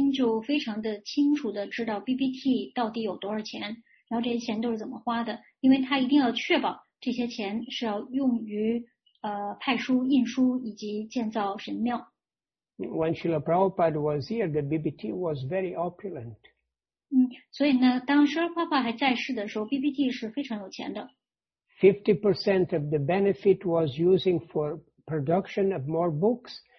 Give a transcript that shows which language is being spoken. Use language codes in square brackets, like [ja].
[zh] 那么舍尔帕帕他曾经就非常的清楚的知道 BBT 到底有多少钱，然后这些钱都是怎么花的，因为他一定要确保这些钱是要用于派书、印书以及建造神庙。 [en] When Srila Prabhupada was here, the BBT was very opulent. [zh] 所以呢，当舍尔帕帕还在世的时候 ，BBT 是非常有钱的。50% [en] of the benefit was using for production of more books.